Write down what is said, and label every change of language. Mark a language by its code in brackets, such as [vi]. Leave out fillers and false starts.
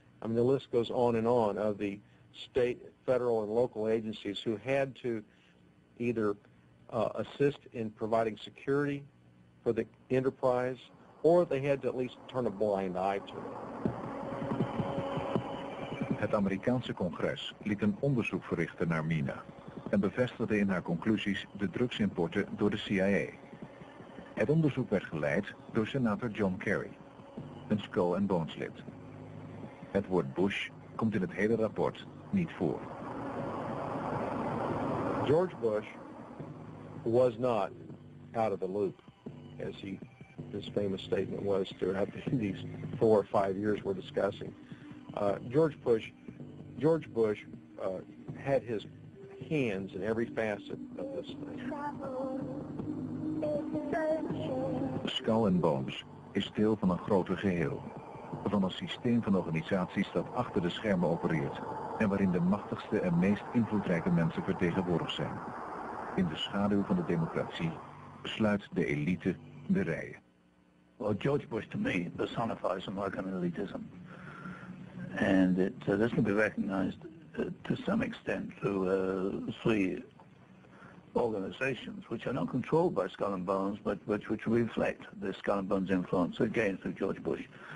[en] I mean, the list goes on and on of the state, federal, and local agencies who had to either assist in providing security for the Enterprise, or they had to at least turn a blind eye to it. [nl] Het Amerikaanse Congres liet een onderzoek verrichten naar Mina en bevestigde in haar conclusies de drugsimporten door de CIA. Het onderzoek werd geleid door senator John Kerry, een Skull and Bones lid. Het woord Bush komt in het hele rapport niet voor. [en] George Bush was not out of the loop, as his famous statement was throughout these 4 or 5 years we're discussing. George Bush had his hands in every facet of this thing. [nl] Skull and Bones is deel van een groter geheel, van een systeem van organisaties dat achter de schermen opereert en waarin de machtigste en meest invloedrijke mensen vertegenwoordigd zijn. In de schaduw van de democratie sluit de elite de rijen. [en] Well, George Bush to me personifies American elitism, and it this can be recognized to some extent through three organizations which are not controlled by Skull and Bones, but which reflect the Skull and Bones influence again through George Bush.